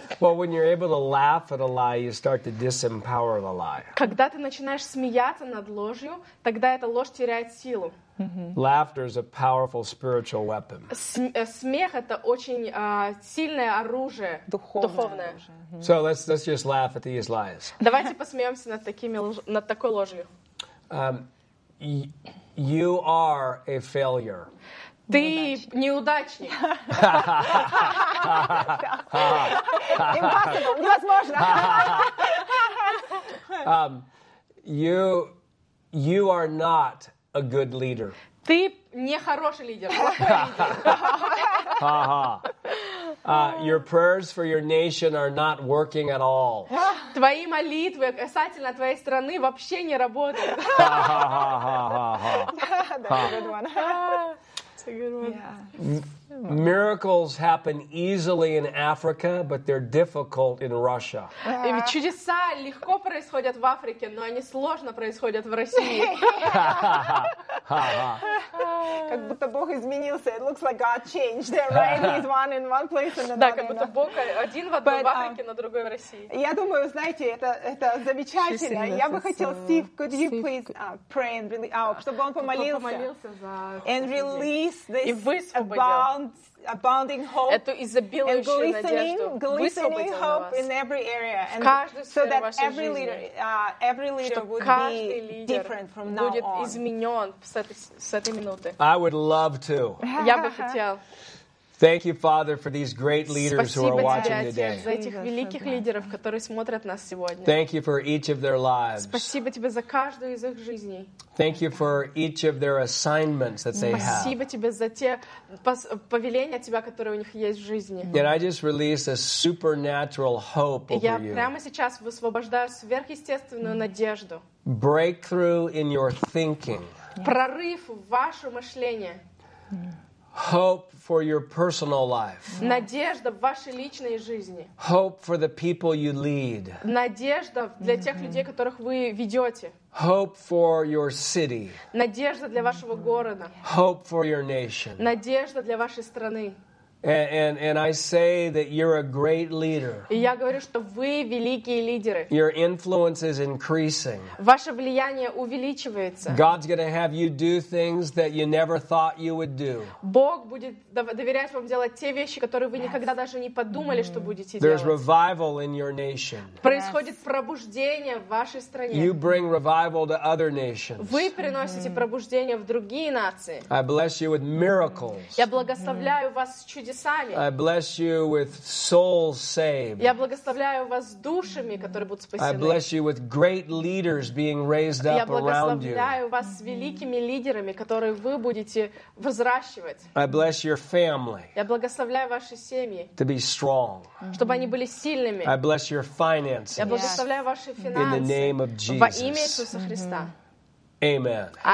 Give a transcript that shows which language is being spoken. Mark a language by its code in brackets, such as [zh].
[en] Well, when you're able to laugh at a lie, you start to disempower the lie. [ru] Когда ты начинаешь смеяться над ложью, тогда эта ложь теряет силу. [en] Laughter is a powerful spiritual weapon. [ru] Смех это очень сильное оружие духовное. [en] So let's just laugh at these lies. [ru] Давайте посмеемся над такими над такой ложью. [en] You are a failure. [ru] Ты неудачник. [en] Impossible. [ru] Невозможно. [en] You are not a good leader. [ru] Ты не хороший лидер. [en] Your prayers for your nation are not working at all. [ru] Твои молитвы касательно твоей страны вообще не работают. [en] That's a good one. That's a good one. Miracles happen easily in Africa, but they're difficult in Russia. [ru] Чудеса легко происходят в Африке, но они сложно происходят в России. Как будто Бог изменился. [en] It looks like God changed. Right? He's one in one place and another. [ru] Да, как будто Бог один в одной Африке, но другой в России. Я думаю, знаете, это замечательно. Я бы хотел, Steve, [en] could you please pray and release, [ru] чтобы он помолился. Помолился за. [en] And release this bound. abounding hope, [ru] эту изобилующую надежду высвободил на вас [en] in every area, [ru] в каждой сфере вашей жизни, что каждый лидер будет изменен с этой минуты. [en] I would love to. [ru] Я бы хотел. [en] Thank you, Father, for these great leaders [ru] Спасибо [en] who are watching today. [ru] За этих великих лидеров, которые смотрят нас сегодня. [en] Thank you for each of their lives. [ru] Спасибо тебе за каждую из их жизней. [en] Thank you for each of their assignments that they have. [ru] Спасибо тебе за те повеления от тебя, которые у них есть в жизни. [en] And I just release a supernatural hope [ru] Я [en] over you. [ru] Я прямо сейчас высвобождаю сверхъестественную надежду. [en] Breakthrough in your thinking. [ru] Прорыв в ваше мышление. [en] Hope for your personal life. [ru] Надежда в вашей личной жизни. [en] Hope for the people you lead. [ru] Надежда для тех людей, которых вы ведете. [en] Hope for your city. [ru] Надежда для вашего города. [en] Hope for your nation. [ru] Надежда для вашей страны. [en] And I say that you're a great leader. [ru] И я говорю, что вы великие лидеры. [en] Your influence is increasing. [ru] Ваше влияние увеличивается. [en] God's going to have you do things that you never thought you would do. [ru] Бог будет доверять вам делать те вещи, которые вы никогда даже не подумали, что будете [en] There's There's revival in your nation. [ru] Происходит пробуждение в вашей стране. [en] You bring revival to other nations. [ru] Вы приносите пробуждение в другие нации. [en] I bless you with miracles. [ru] Я благословляю вас [en] I bless you with souls saved. [ru] Я благословляю вас душами, которые будут спасены. [en] I bless you with great leaders being raised up around you. [ru] Я благословляю вас великими лидерами, которые вы будете взращивать. [en] I bless your family. [ru] Я благословляю ваши семьи. [en] To be strong. [ru] Чтобы они были сильными. [en] I bless your finances. [ru] Я благословляю ваши финансы. [en] In the name of Jesus. [ru] Во имя Иисуса Христа. [en] Amen.